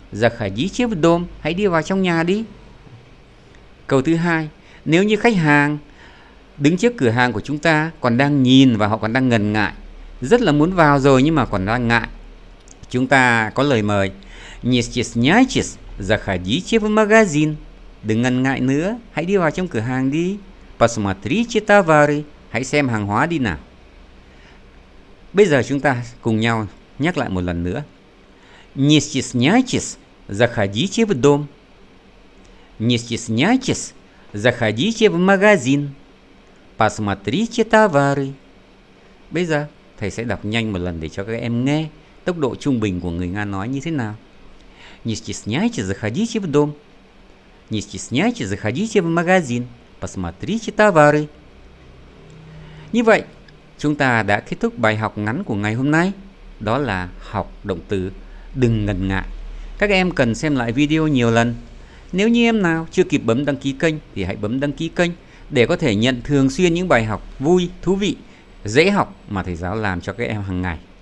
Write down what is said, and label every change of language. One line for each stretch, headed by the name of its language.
Russian: Заходите в дом,
Vietnamese: hãy đi vào trong nhà đi. Câu thứ hai, nếu như khách hàng đứng trước cửa hàng của chúng ta còn đang nhìn và họ còn đang ngần ngại, rất là muốn vào rồi nhưng mà còn đang ngại, chúng ta có lời mời
Russian: не стесняйтесь, заходите в магазин.
Vietnamese: Đừng ngần ngại nữa, hãy đi vào trong cửa hàng đi.
Russian: Посмотрите товары,
Vietnamese: hãy xem hàng hóa đi nào. Bây giờ chúng ta cùng nhau nhắc lại một lần nữa.
Russian: Не стесняйтесь, заходите в дом. Не стесняйтесь, заходите в магазин. Посмотрите товары.
Vietnamese: Bây giờ thầy sẽ đọc nhanh một lần để cho các em nghe tốc độ trung bình của người Nga nói như thế nào.
Russian: Не стесняйтесь, заходите в дом. Не стесняйтесь, заходите в магазин. Посмотрите товары.
Vietnamese: Như vậy, chúng ta đã kết thúc bài học ngắn của ngày hôm nay. Đó là học động từ đừng ngần ngại. Các em cần xem lại video nhiều lần. Nếu như em nào chưa kịp bấm đăng ký kênh thì hãy bấm đăng ký kênh để có thể nhận thường xuyên những bài học vui, thú vị, dễ học mà thầy giáo làm cho các em hàng ngày.